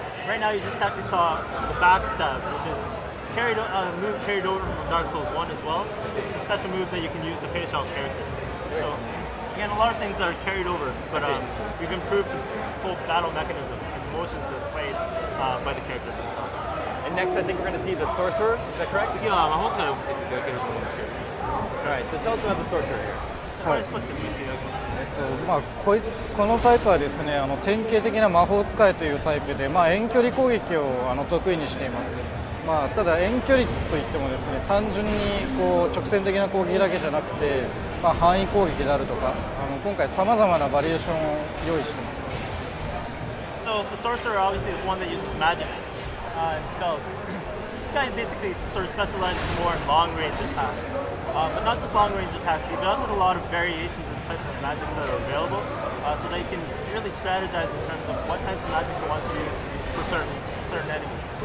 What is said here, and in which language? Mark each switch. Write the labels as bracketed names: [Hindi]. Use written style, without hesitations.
[English] Right now you just actually saw the backstab, which is a move carried over from Dark Souls 1 as well. It's a special move that you can use to finish off characters. So again, a lot of things are carried over, but we've improved the whole battle mechanism and the motions that are played by the characters themselves. And next, I think we're going to see the sorcerer. Is that correct? Alright, so tell us about the sorcerer here. [Japanese] この、このタイプはですね、典型的な魔法使いというタイプで、遠距離攻撃を得意にしています。ただ遠距離といってもですね、単純に直線的な攻撃だけじゃなくて、範囲攻撃であるとか、今回様々なバリエーションを用意しています。 [English] So the sorcerer obviously is one that uses magic and spells. kind of basically sort of specializes more in long-range attacks. But not just long-range attacks, we've done with a lot of variations in types of magic that are available, so that you can really strategize in terms of what types of magic you want to use for certain enemies.